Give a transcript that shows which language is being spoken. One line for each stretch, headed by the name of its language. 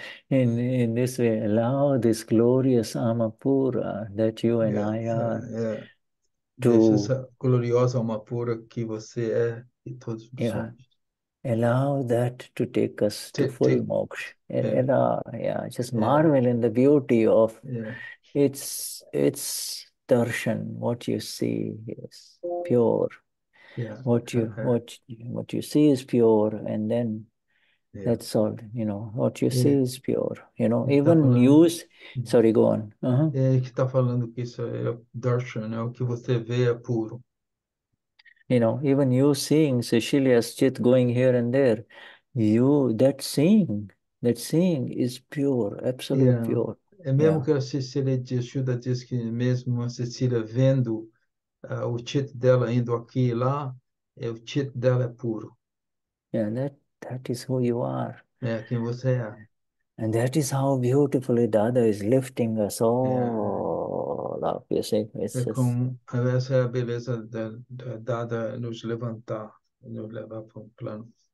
English: In this way, allow this glorious Amapura that you and I are.
Portuguese: Deixa essa gloriosa Amapura que você é e todos somos.
English: Allow that to take us to full moksha. Just marvel in the beauty of its darshan. What you see is pure. Yeah. What you see is pure, and then. Yeah. That's all, you know, what you see is pure, you know,
Portuguese: ele
English: even
Portuguese: tá falando...
English: news, sorry, go on.
Portuguese: Ele que está falando que isso é darshan, né? O que você vê é puro.
English: You know, even you seeing Cecilia's chit going here and there, you, that seeing is pure, absolute pure.
Portuguese: É mesmo que a Cecilia diz, Shuddha diz que mesmo a Cecilia vendo o chit dela indo aqui e lá, o chit dela é puro.
English: That is who you are.
Portuguese: É quem você é.
English: And that is how beautifully Dada is lifting us all up. You see, it's
Portuguese: é como essa é a beleza da Dada nos levantar, nos levar para um plano.